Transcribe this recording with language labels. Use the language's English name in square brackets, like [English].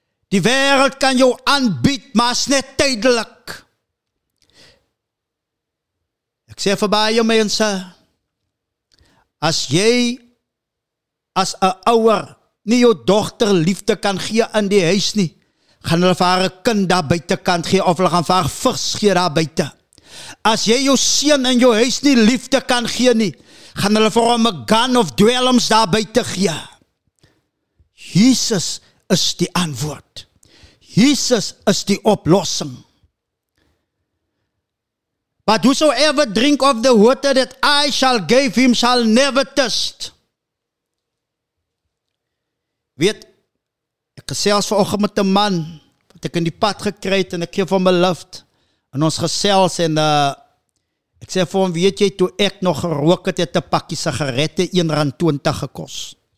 [Afrikaans] Die wereld kan jou aanbied, maar is net tydelik. Ek sê vir baie mense, as jy as 'n ouer nie jou dogter liefde kan gee in die huis nie, gaan hulle vir haar kind daar buitekant gee, of hulle gaan vir haar vis gee daar buite. As jy jou seun in jou huis nie liefde kan gee nie, gaan hulle vir hom 'n gun of dwelms daar buite gee. Jesus is die antwoord. Jesus is die oplossing. [English] But whosoever drink of the water that I shall give him shall never thirst. [Afrikaans] Weet, ek gesels vanoggend met 'n man wat ek in die pad gekry het en ek gee vir hom 'n lift. En ons gesels en ek sê vir hom, weet jy, toe ek nog gerook het, het 'n pakkie sigarette R1.20 gekos.